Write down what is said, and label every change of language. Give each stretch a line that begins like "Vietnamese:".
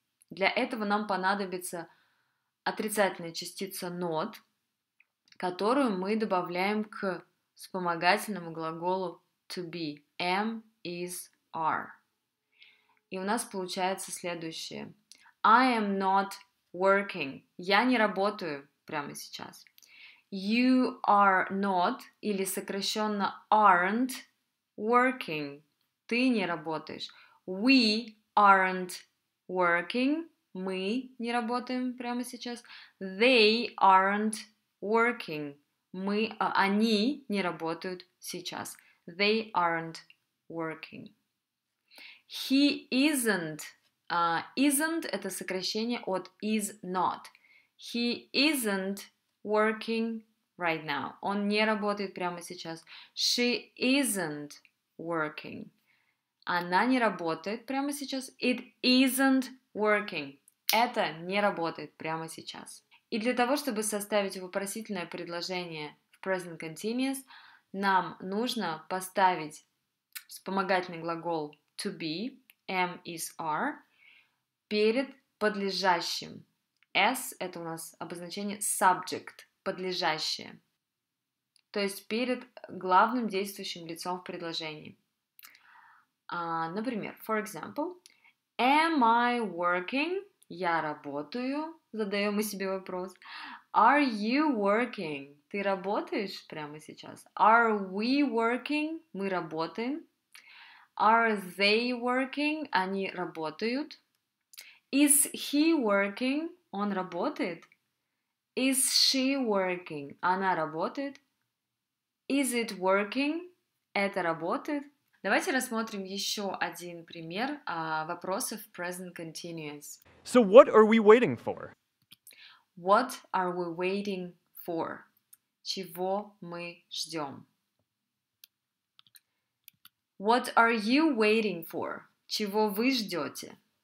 Russian: Для этого нам понадобится отрицательная частица not, которую мы добавляем к вспомогательному глаголу to be.
English: Am, is, are.
Russian: И у нас получается следующее.
English: I am not working.
Russian: Я не работаю прямо сейчас.
English: You are not,
Russian: или сокращенно
English: aren't, working.
Russian: Ты не работаешь.
English: We aren't working.
Russian: Мы не работаем прямо сейчас.
English: They aren't working.
Russian: Они не работают сейчас.
English: They aren't working. He isn't.
Russian: Isn't – это сокращение от is not.
English: He isn't working right now.
Russian: Он не работает прямо сейчас.
English: She isn't working.
Russian: Она не работает прямо сейчас.
English: It isn't working.
Russian: Это не работает прямо сейчас. И для того, чтобы составить вопросительное предложение в present continuous, нам нужно поставить вспомогательный глагол to be, am, is, are, перед подлежащим. S – это у нас обозначение subject, подлежащее. То есть перед главным действующим лицом в предложении. Например,
English: for example, am I working?
Russian: Я работаю, задаем мы себе вопрос.
English: Are you working?
Russian: Ты работаешь прямо сейчас.
English: Are we working?
Russian: Мы работаем.
English: Are they working?
Russian: Они работают.
English: Is he working?
Russian: Он работает.
English: Is she working?
Russian: Она работает.
English: Is it working?
Russian: Это работает. Давайте рассмотрим еще один пример вопросов present continuous.
English: So what are we waiting for? What are we waiting for?
Russian: Чего мы ждем?
English: What are you waiting for?
Russian: Чего вы ждете?